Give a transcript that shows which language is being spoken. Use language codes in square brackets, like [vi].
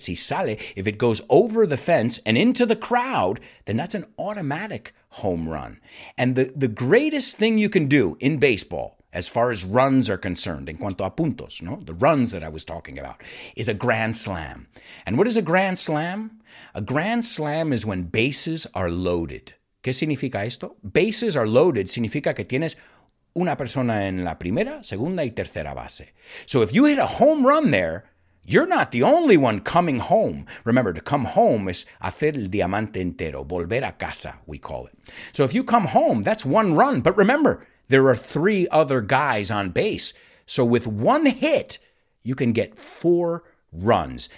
[es] Si sale, [en] if it goes over the fence and into the crowd, then that's an automatic home run. And the greatest thing you can do in baseball, as far as runs are concerned, [es] en cuanto a puntos, no, [en] the runs that I was talking about, is a grand slam. And what is a grand slam? A grand slam is when bases are loaded. [es] ¿Qué significa esto? [en] Bases are loaded [es] significa que tienes una persona en la primera, segunda y tercera base. [en] So if you hit a home run there, you're not the only one coming home. Remember, to come home is [es] hacer el diamante entero, volver a casa, [en] we call it. So if you come home, that's one run. But remember, there are three other guys on base. So with one hit, you can get four runs.